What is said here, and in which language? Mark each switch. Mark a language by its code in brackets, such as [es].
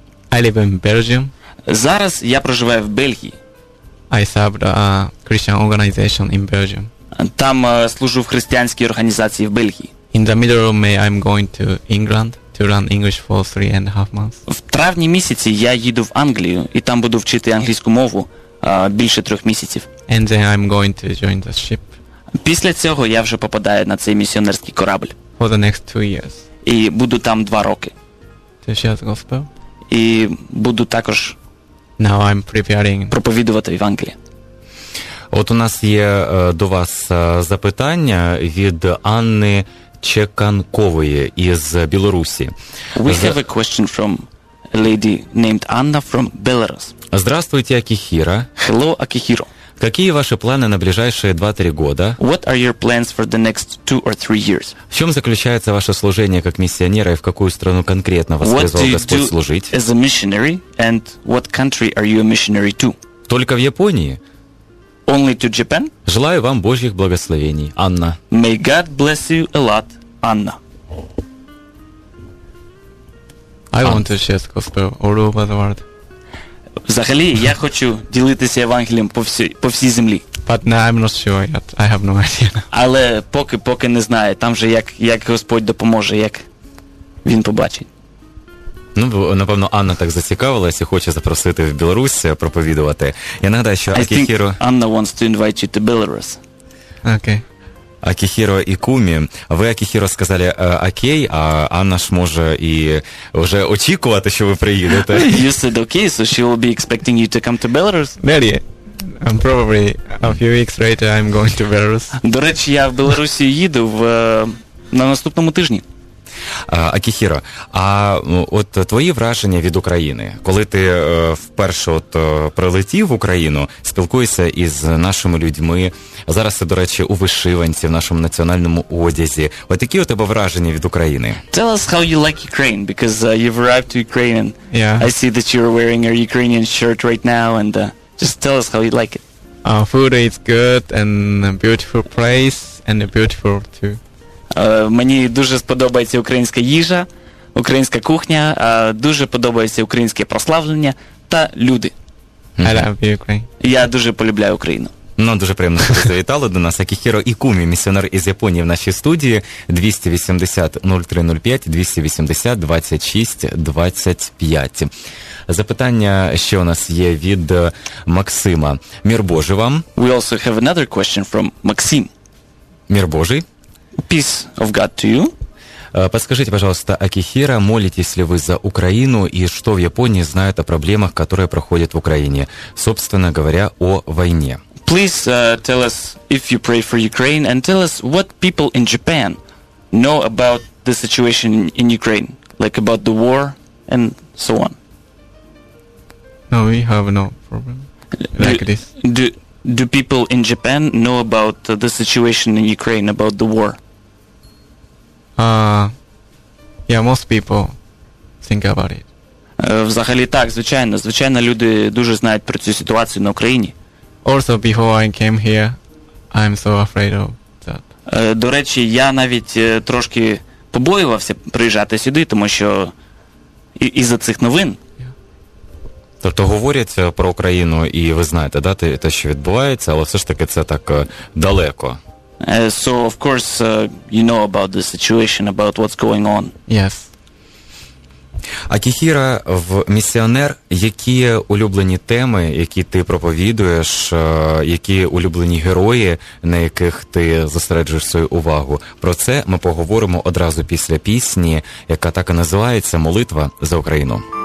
[en] I live in Belgium. [uk] Зараз я проживаю в Бельгії. [en] I served a Christian organization in Belgium. [uk] Там служу в християнській організації в Бельгії. [en] In the middle of May I'm going to England to learn English for 3.5 months. [uk] В травні місяці я їду в Англію і там буду вчити англійську мову більше 3 місяців. [en] And then I'm going to join the ship. [uk] Після цього я вже попадаю на цей місіонерський корабль. [en] For the next 2 years. [uk] І буду там 2 роки. [en] To share the gospel. [uk] І буду також [en] Now I'm preparing. [uk] Проповідувати Євангеліє. От у нас є до вас запитання від Анни Чеканкової із Білорусі. [en] We have a question from a lady named Anna from Belarus. [ru] Здравствуйте, Акихіра. [en] Hello, Акихіро. [uk] Які ваші плани на ближайші 2-3 роки? [en] What are your plans for the next 2 or 3 years? [uk] В чому заключається ваше служіння як місіонера і в яку країну конкретно вас призвав Господь служити? [en] What do you do as a missionary and what country are you a missionary to? [uk] Тільки в Японії? [en] Only to Japan? [uk] Желаю вам Божих благословень, Анна. [en] May God bless you a lot, Anna. I want to share the gospel all over the world. [uk] Взагалі, я хочу ділитися Євангелієм по всій землі. [en] But no, I'm not sure yet. I have no idea. [uk] Але поки не знаю. Там же як Господь допоможе, як Він побачить. Ну, напевно, Анна так зацікавилась і хоче запросити в Білорусь проповідувати. Я нагадаю, що Акихіро... [en] I think Anna wants to invite you to Belarus. Okay. [uk] Акихіро і Кумі. Ви, Акихіро, сказали окей, а Анна ж може і вже очікувати, що ви приїдете. [en] You said okay, so she will be expecting you to come to Belarus? Really? I'm probably a few weeks later I'm going to Belarus. [uk] До речі, я в Білорусі їду на наступному тижні. Акихіро, а от твої враження від України, коли ти вперше от прилетів в Україну, спілкуєшся із нашими людьми, зараз ти, до речі, у вишиванці, в нашому національному одязі, от які у тебе враження від України? [en] Tell us how you like Ukraine, because you've arrived to Ukraine, and yeah. I see that you're wearing your Ukrainian shirt right now, and just tell us how you like it. Food is good, and a beautiful place, and a beautiful too. [uk] Мені дуже сподобається українська їжа, українська кухня, дуже подобається українське прославлення та люди. [en] I love Ukraine. [uk] Я дуже полюбляю Україну. Ну, дуже приємно, що ви завітали до нас. Акихіро Ікумі, місіонер із Японії в нашій студії. 280-0305, 280-26-25. Запитання ще у нас є від Максима. Мір Божий вам. [en] We also have another question from Максим. [uk] Мір Божий. [en] Peace of God to you. [ru] Подскажите, пожалуйста, Акихіро, молитесь ли вы за Украину и что в Японии знают о проблемах, которые проходят в Украине, собственно говоря, о войне? [en] Please tell us if you pray for Ukraine and tell us what people in Japan know about the situation in Ukraine, like about the war and so on. No, we have no problem like this. Do people in Japan know about the situation in Ukraine, about the war? Yeah, most people think about it. [uk] Взагалі так, звичайно. Звичайно, люди дуже знають про цю ситуацію на Україні. [en] Also, before I came here, I'm so afraid of that. [uk] До речі, я навіть трошки побоювався приїжджати сюди, тому що із-за цих новин. Тобто говорять про Україну, і ви знаєте, да, те, що відбувається, але все ж таки це так далеко. [en] So, of course, you know about the situation, about what's going on. Yes. [uk] Акіхіра, в місіонер, які улюблені теми, які ти проповідуєш, які улюблені герої, на яких ти зосереджуєш свою увагу? Про це ми поговоримо одразу після пісні, яка так і називається «Молитва за Україну».